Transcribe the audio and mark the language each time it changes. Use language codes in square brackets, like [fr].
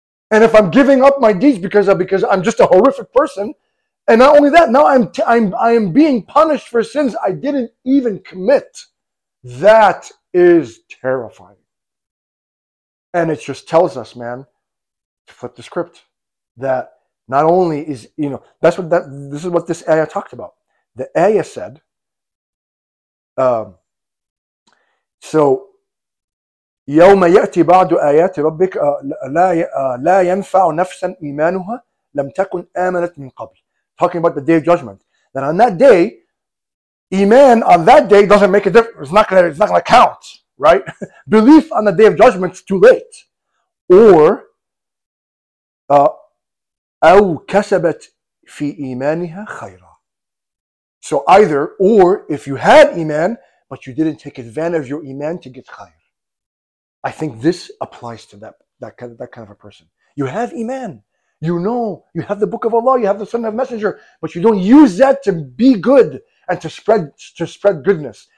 [en] And if I'm giving up my deeds because I'm just a horrific person, and not only that, now I am being punished for sins I didn't even commit. That is terrifying. And it just tells us, man, to flip the script. That not only is, you know, that's what that this is what this ayah talked about. The ayah said, [ar] يوم يأتي بعض آيات ربك لا ينفع نفسا إيمانها لم تكن آمنت من قبل. [en] Talking about the day of judgment. That on that day, iman on that day doesn't make a difference. It's not gonna count, right? Belief on the day of judgment is too late. Or [ar] أو كسبت في إيمانها خيرا. [en] So either, or if you had iman but you didn't take advantage of your iman to get khair. I think this applies to that kind of a person. You have iman, you know, you have the Book of Allah, you have the Sunnah of Messenger, but you don't use that to be good and to spread goodness.